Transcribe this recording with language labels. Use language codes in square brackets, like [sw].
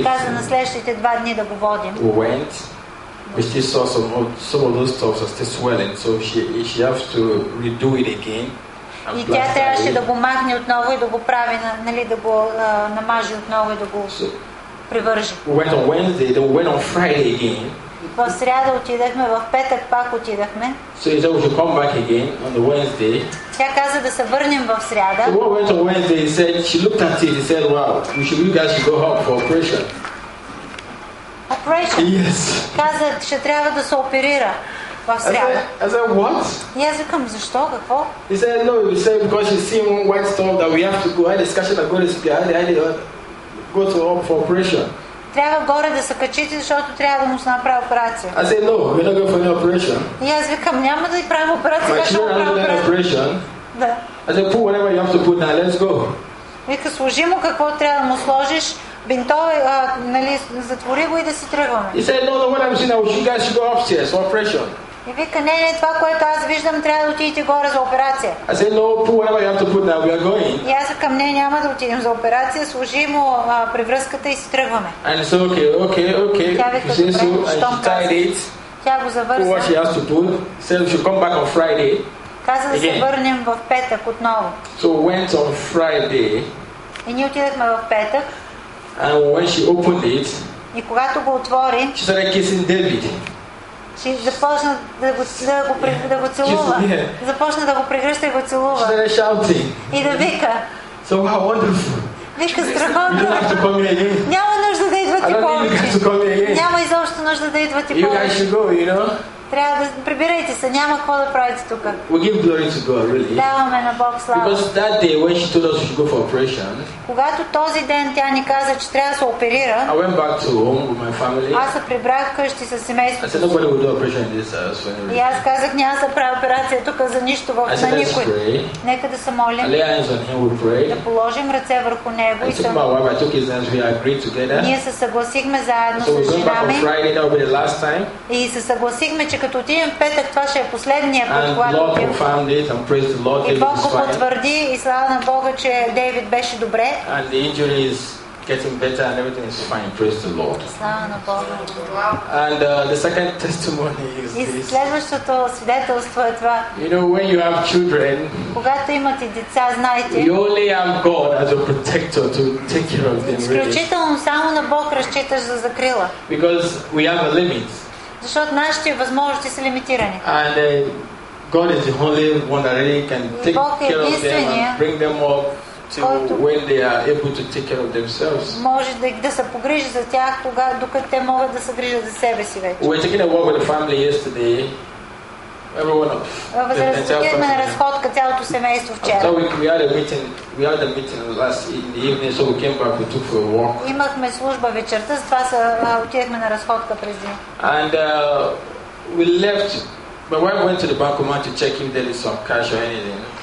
[bg] И каза на следващите два дни да го водим. [en] We went. We still saw some of those stuffs are still swelling, so she has to redo it again. [bg] И тя трябваше да го махне отново и да го прави, нали, да го намажи отново и да го привържи. [en] We went on Wednesday, then we went on Friday again. [bg] В сряда отидахме, в петък пак отидахме. [en] So he said we should come back again on the Wednesday. [bg] Тя каза да се върнем в сряда. [en] So we went on Wednesday, said, she looked at it, she said, wow, we should, you guys should go home for operation. Operation. Yes. [bg] Каза, ще трябва да се оперира в сряда. [en] I said what? [bg] И аз викам, защо, какво? [en] He said no, he said because she's seen one white storm that we have to go. I had a discussion that God is behind. I had to go to home for operation. [bg] Трябва горе да се качите, защото трябва да му се направи операция. [en] I said no, we're not going for any operation. [bg] И аз викам, няма да правим операция. [en] My children are under operation. [bg] Да. [en] I said put whatever you have to put now. Let's go. [bg] Вика, сложи му какво трябва да му сложиш. Бинтове, нали, затвори го и да си тръгваме. [en] He said, no, what I'm seeing, you guys should go upstairs for operation. [bg] И вика, не, не, това, което аз виждам, трябва да отидете горе за операция. [en] I said, no, put whatever you have to put now, we are going. [bg] И аз към нея няма да отидем за операция, сложи му превръзката и си тръгваме. [en] And so, okay. [bg] Тя вика, добре, щом каза. Тя го завърза. [en] What she has to put, said, we should come back on Friday. [bg] Каза да се върнем в петък отново. [en] So we went on Friday. [bg] И ние отидахме в петък. [en] And when she opened it, [bg] и когато го отвори, [en] she started kissing David. [bg] She започна да го целува. [en] Yeah. [bg] Започна да го прегръща и го целува. [en] She started shouting. [bg] И да вика. [en] So how wonderful. [bg] Вика, страхотно. [en] You don't have to come here again. [bg] Няма нужда да идвате повече. Няма изобщо нужда да идвате [en] повече. You guys should go, you know. [bg] Трябва да прибирайте се, няма какво да правите тук. [en] We give glory to God, really. [bg] Даваме на Бог слава. [en] Because that day when she told us to go for operation. [bg] Когато този ден тя ни каза, че трябва да се оперира. [en] I went back to home with my family. [bg] Аз се прибрах вкъщи с семейството. [en] I said nobody will do operation in this house. [bg] И аз казах, няма да правя операция тук за нищо, на никой. Нека да се молим. [en] I lay hands on him, we pray. [bg] Да положим ръце върху него и съм. [en] My wife, I took his hands, we agreed together. [bg] Ние се съгласихме заедно с жена ми. [en] So we went back on Friday, that will be the last time. [bg] И се съгласихме, че като отидем в петък, това ще е последния път, когато отидем. И Бог го потвърди и слава на Бога, че Дейвид беше добре. [en] And the injury is getting better and everything is fine. Praise the Lord. [bg] Слава на Бога. [en] And the second testimony is this. [bg] И следващото свидетелство е това. [en] You know, when you have children, [bg] когато имате деца, знаете, [en] you only have God as a protector to take care of them. [bg] Изключително само на Бог разчиташ за закрила. [en] Because we have a limit. [bg] Защото нашите възможности са лимитирани. [en] And God is the only one that really can take care of them and bring them up to when they are able to take care of themselves. [bg] Може да се погрижи за тях, докато те могат да се грижат за себе си вече. [en] We're taking a walk with the family yesterday. Everyone of them. [bg] На разходка цялото семейство вчера. [en] So we had a meeting last in the evening, so we came back, we took for a walk. [bg] Имахме служба вечерта, затова отидохме на разходка през ден. [en] And we left. My wife went to the bankomat to check if there is some cash or anything.